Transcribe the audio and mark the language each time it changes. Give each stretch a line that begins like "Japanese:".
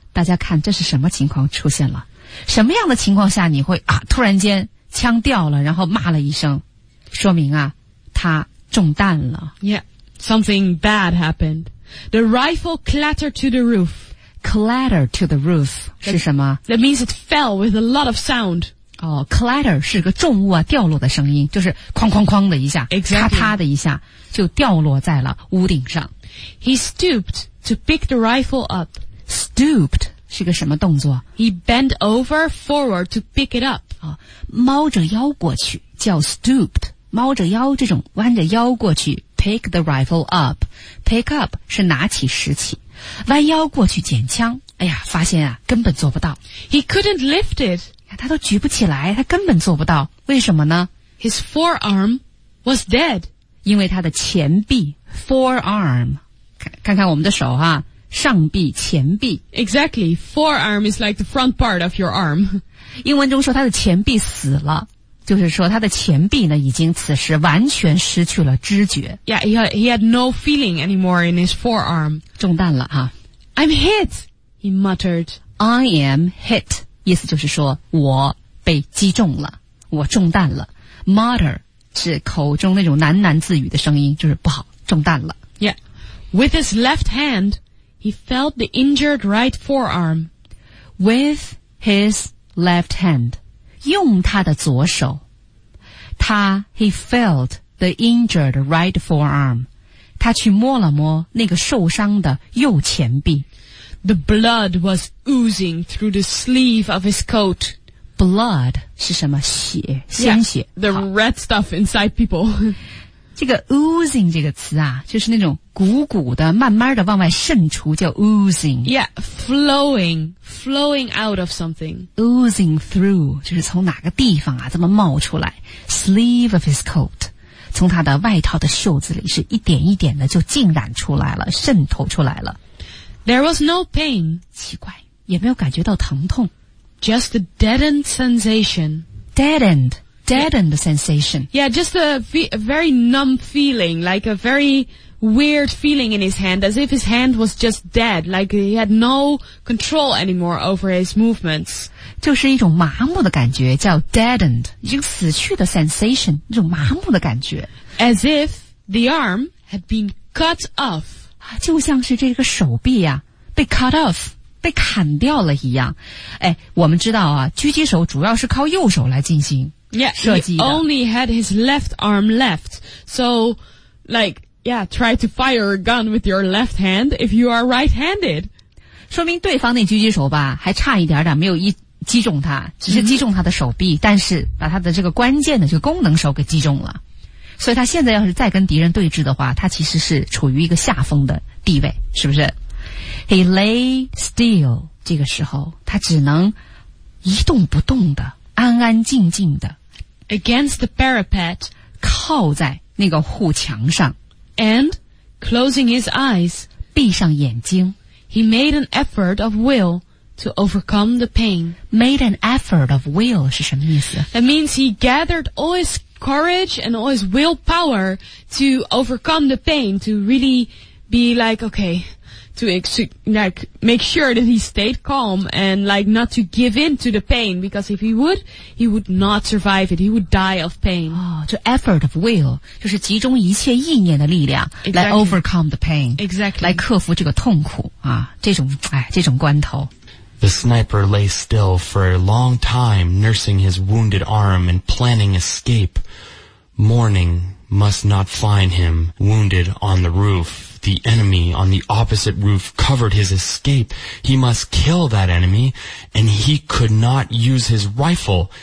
Chinese: 大家看这是什么情况出现了。什么样的情况下你会啊突然间枪掉了然后骂了一声。说明啊他中弹了。
English: Yeah, something bad happened. The rifle clattered to the roof. Clatter to the roof that,
Chinese: 是什么
English: ?That means it fell with a lot of sound.
Chinese: 哦、oh, ,clatter 是个重物啊掉落的声音就是哐哐哐的一下、
English: exactly.
Chinese: 咔嚓的一下就掉落在了屋顶上。
English: He stooped to pick the rifle up.
Chinese: Stooped 是个什么动作
English: ?He bent over forward to pick it up.、
Chinese: 哦、猫着腰过去叫 stooped, 猫着腰这种弯着腰过去
English: pick the rifle up.
Chinese: Pick up 是拿起拾起。弯腰过去捡枪，哎呀，发现啊，根本做不到。
English: He couldn't lift it.
Chinese: 他都举不起来，他根本做不到。为什么呢
English: ？His forearm was dead.
Chinese: 因为他的前臂 ，forearm， 看看我们的手哈、啊，上臂、前臂。
English: Exactly, forearm is like the front part of your arm.
Chinese: 英文中说他的前臂死了，就是说他的前臂呢，已经此时完全失去了知觉。
English: Yeah, he had no feeling anymore in his forearm.
Chinese: 中弹了哈
English: I'm hit, he muttered. I am hit,
Chinese: 意思就是说我被击中了，我中弹了。 Mutter 是口中那种喃喃自语的声音，就是不好，中弹了。
English: Yeah, with his left hand, he felt the injured right forearm. With his left hand,
Chinese: 用他的左手，
English: he felt the injured right forearm.
Chinese: 他去摸了摸那个受伤的右前臂。
English: The blood was oozing through the sleeve of his coat.
Chinese: Blood 是什么血鲜血
English: yeah, The red stuff inside people.
Chinese: 这个 oozing 这个词啊就是那种鼓鼓的慢慢的往外渗出叫 oozing.
English: Yeah, flowing out of something. Oozing through,
Chinese: 就是从哪个地方啊这么冒出来。
English: Sleeve of his coat.
Chinese: 从他的外套的袖子里是一点一点的就浸染出来了渗透出来了
English: There was no pain
Chinese: 奇怪也没有感觉到疼痛
English: Just a deadened sensation Deadened sensation Yeah, just a very numb feeling Like a very weird feeling in his hand As if his hand was just dead Like he had no control anymore over his movements
Chinese: 就是一种麻木的感觉叫 deadened, 一个死去的 sensation, 一种麻木的感觉。
English: As if the arm had been cut off.
Chinese: 就像是这个手臂啊被
English: cut off,
Chinese: 被砍掉了一样。哎我们知道啊狙击手主要是靠右手来进行
English: Yeah, he only had his left arm left. So, like, yeah, try to fire a gun with your left hand if you are right-handed.
Chinese: 说明对方那狙击手吧，还差一点点没有一击中他，只是击中他的手臂，但是把他的这个关键的这个功能手给击中了。所以他现在要是再跟敌人对峙的话，他其实是处于一个下风的地位，是不是？
English: He lay still,
Chinese: 这个时候他只能一动不动的安安静静的
English: against the parapet,
Chinese: 靠在那个护墙上
English: and closing his eyes,
Chinese: 闭上眼睛
English: he made an effort of will to overcome the pain. Made an effort of will
Chinese: 是什么意思？
English: That means he gathered all his courage and all his willpower to overcome the pain, to really be like, okay... to make sure that he stayed calm and like not to give in to the pain, because if he would, he would not survive it. He would die of pain.
Chinese: 哦，就
English: effort of will,
Chinese: 就是集中一切意念的力量 来
English: overcome the pain. Exactly.
Chinese: 来克服这个痛苦啊，这种关头。
English: The sniper lay still for a long time, nursing his wounded arm and planning escape. Morning must not find him wounded on the roof. The enemy on the opposite roof covered his escape. He must kill that enemy, and he could not use his rifle.